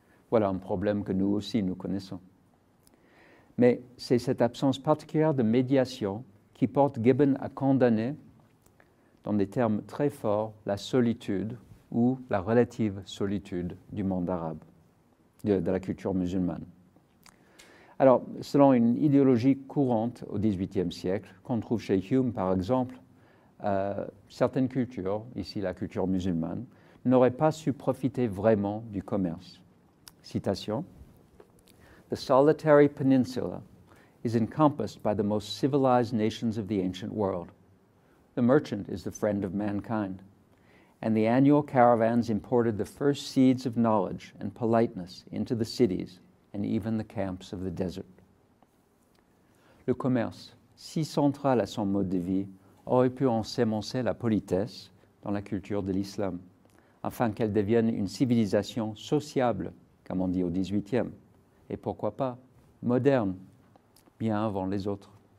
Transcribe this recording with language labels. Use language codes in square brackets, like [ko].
[fr] Voilà un problème que nous aussi nous connaissons. Mais c'est cette absence particulière de médiation qui porte Gibbon à condamner, dans des termes très forts, la solitude ou la relative solitude du monde arabe, de la culture musulmane. Alors, selon une idéologie courante au XVIIIe siècle, qu'on trouve chez Hume par exemple, certaines cultures, ici la culture musulmane, n'auraient pas su profiter vraiment du commerce. Citation. [en] The solitary peninsula is encompassed by the most civilized nations of the ancient world. The merchant is the friend of mankind. And the annual caravans imported the first seeds of knowledge and politeness into the cities and even the camps of the desert. [fr] Le commerce, si central à son mode de vie, aurait pu ensemencer la politesse dans la culture de l'islam, afin qu'elle devienne une civilisation sociable, comme on dit au XVIIIe, et pourquoi pas, moderne, bien avant les autres.